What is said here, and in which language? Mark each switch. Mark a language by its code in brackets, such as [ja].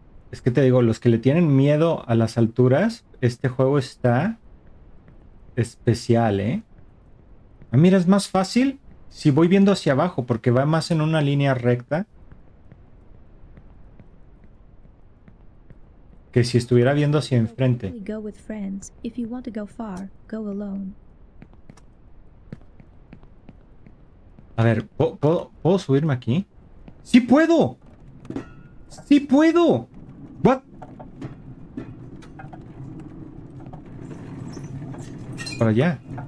[es] Es que te digo, los que le tienen miedo a las alturas, este juego está especial, ¿eh? Mira, es más fácil si voy viendo hacia abajo, porque va más en una línea recta que si estuviera viendo hacia enfrente. [en] Only go with friends. If you want to go far, go alone. [es] A ver, ¿puedo subirme aquí? ¡Sí puedo! ¡Sí puedo! Para allá.